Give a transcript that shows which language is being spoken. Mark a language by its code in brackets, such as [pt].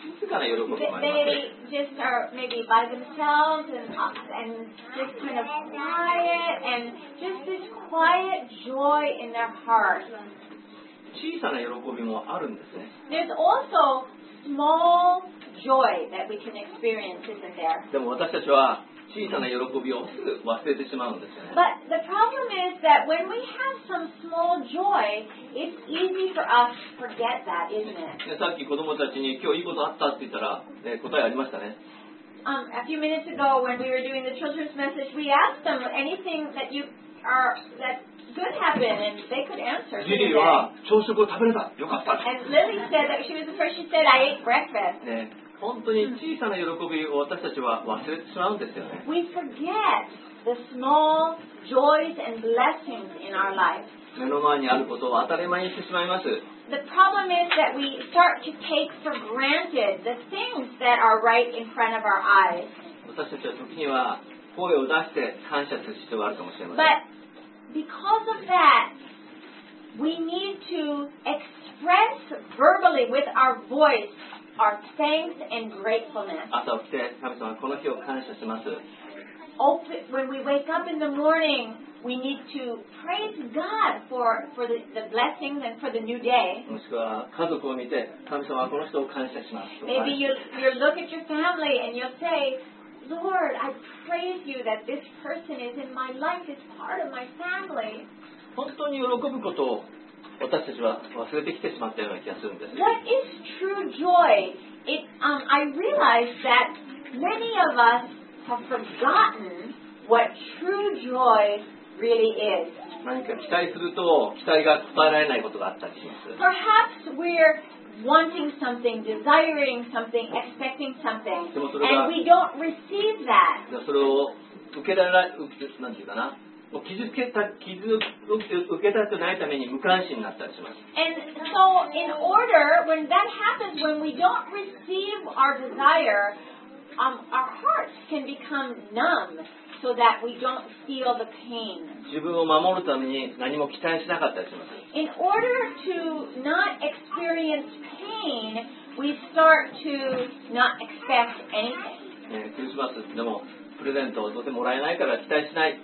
[en] They just are maybe by themselves and just kind of quiet and just this quiet joy in their heart. There's also small joy that we can experience, isn't there? [ja] 小さな喜びをすぐ忘れてしまうんですよね。 [en] But the problem is that when we have some small joy, it's easy for us to forget that, isn't it? [ja] さっき子供たちに今日いいことあったって言ったら、答えありましたね。 [en] a few minutes ago when we were doing the children's message, we asked them anything that you are that could happen, and they could answer. Lily와 조수고 답변했다. 요깟다. And Lily said that she was the first. She said, "I ate breakfast." 네. [ja] 本当に小さな喜びを私たちは忘れてしまうんですよね。 [en] We forget the small joys and blessings in our life. [ja] 目の前にあることを当たり前にしてしまいます。 [en] The problem is that we start to take for granted the things that are right in front of our eyes. [ja] 私たちは時には声を出して感謝する必要があるかもしれません。 [en] But because of that, we need to express verbally with our voice. Our thanks and gratefulness. When we wake up in the morning, we need to praise God for the blessings and for the new day. Maybe you look at your family and you'll say, Lord, I praise you that this person is in my life, is part of my family. [ja] 本当に喜ぶことを私たちは忘れてきてしまったような気がするんです。 [en] What is true joy? I realize that many of us have forgotten what true joy really is. [ja] 何か期待すると期待が応えられないことがあったりします。 [en] Perhaps we're wanting something, desiring something, expecting something, and we don't receive that. [ja] それを受けられない、受け、何て言うかな。 [en] And so in order, when that happens, when we don't receive our desire, our hearts can become numb so that we don't feel the pain. [ja] 自分を守るために何も期待しなかったりします。 [en] In order to not experience pain, we start to not expect anything. [ja] クリスマスでもプレゼントをどうせもらえないから期待しない。